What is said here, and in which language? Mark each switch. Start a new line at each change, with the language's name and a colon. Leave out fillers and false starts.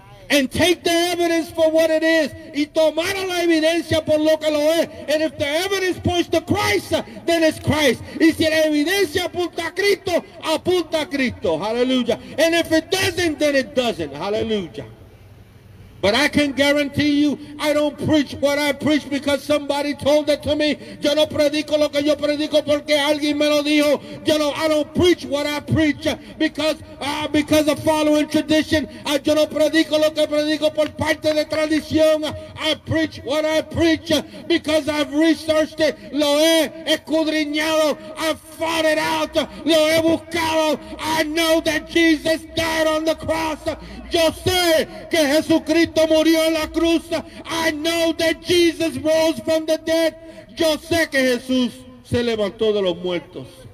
English: And take the evidence for what it is.
Spanish: Y tomar la evidencia por lo que lo es.
English: And if the evidence points to Christ, then it's Christ.
Spanish: Y si la evidencia apunta a Cristo,
English: apunta a Cristo. Hallelujah. And if it doesn't, then it doesn't. Hallelujah. But I can guarantee you, I don't preach what I preach because somebody told it to me.
Spanish: Yo no predico lo que yo predico porque alguien me lo dijo. Yo no,
English: I don't preach what I preach because of following tradition.
Spanish: Yo no predico lo que predico por parte de tradición.
English: I preach what I preach because I've researched it.
Spanish: Lo he escudriñado.
English: I've fought it out.
Spanish: Lo he buscado.
English: I know that Jesus died on the cross.
Spanish: Yo sé que Jesucristo murió en la cruz.
English: I know that Jesus rose from the dead.
Spanish: Yo sé que Jesús se levantó de los muertos.